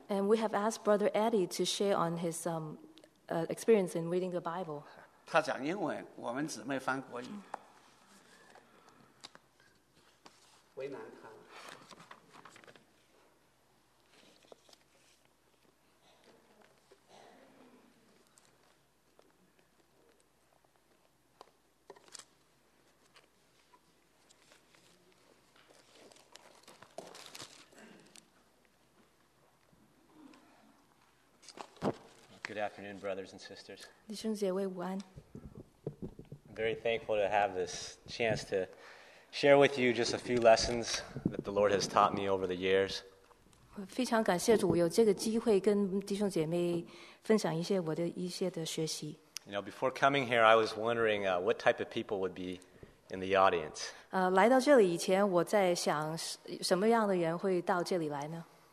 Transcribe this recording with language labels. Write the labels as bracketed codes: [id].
[en] And we have asked Brother Eddie to share on his experience in reading the Bible. [zh] 他讲英文，我们姊妹翻国语。为难他。 [en] Good afternoon, brothers and sisters. I'm very thankful to have this chance to share with you just a few lessons that the Lord has taught me over the years. [zh] 非常感谢主有这个机会跟弟兄姐妹分享一些我的一些的学习。 [en] You know, before coming here, I was wondering what type of people would be in the audience. [zh] 来到这里以前，我在想什么样的人会到这里来呢？